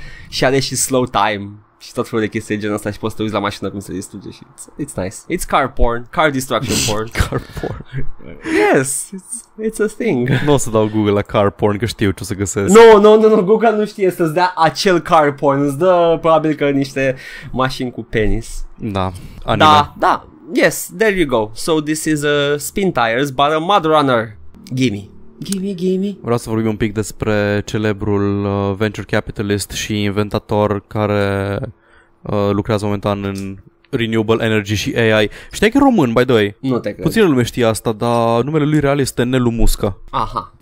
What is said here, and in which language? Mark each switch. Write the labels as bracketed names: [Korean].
[Romanian] Și are și slow time și tot felul de chestii genul ăsta și poți să te uiți la mașină cum se distruge și [English] it's nice. It's car porn, car destruction porn. Car porn. Yes, it's a thing. [Romanian] Nu o să dau Google la car porn că știu ce o să găsesc. No, Google nu știe să-ți dea acel car porn, îți dă probabil că niște mașini cu penis. Da, anime. [English] Da, yes, there you go. So this is a spin tires but a mud runner. Gimme. [Romanian] Vreau să vorbim un pic despre celebrul venture capitalist și inventator care lucrează momentan în renewable energy și AI. Știi că e român, [English] by the way? [Romanian] Nu te cred. Puțină lume știe asta, dar numele lui real este Nelu Muscă. Aha.